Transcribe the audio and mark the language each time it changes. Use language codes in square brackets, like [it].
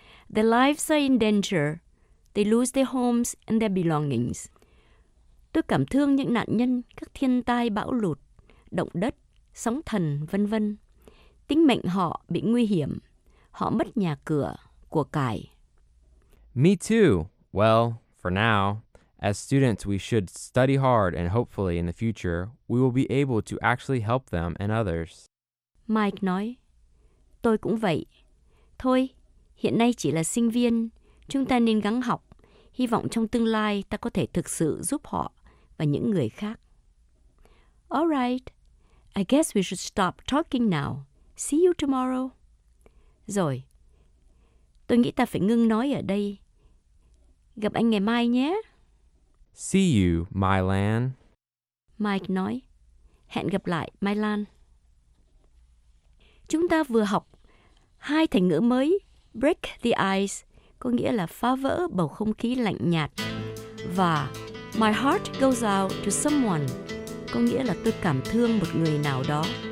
[en] Their lives are in danger. They lose their homes and their belongings. [vi] Tôi cảm thương những nạn nhân các thiên tai bão lụt, động đất, sóng thần, vân vân. Tính mệnh họ bị nguy hiểm. Họ mất nhà cửa, của cải. [en] Me too. Well, for now, as students, we should study hard and hopefully in the future, we will be able to actually help them and others. [vi] Mike nói, tôi cũng vậy. Thôi, hiện nay chỉ là sinh viên, chúng ta nên gắng học. Hy vọng trong tương lai ta có thể thực sự giúp họ và những người khác. [en] All right, I guess we should stop talking now. See you tomorrow. [vi] Rồi, tôi nghĩ ta phải ngưng nói ở đây. Gặp anh ngày mai nhé. [en] See you, Mylan. [vi] Mike nói, hẹn gặp lại, Mylan. Chúng ta vừa học hai thành ngữ mới, [en] break the ice, [vi] có nghĩa là phá vỡ bầu không khí lạnh nhạt, và [en] my heart goes out to someone, [vi] có nghĩa là tôi cảm thương một người nào đó.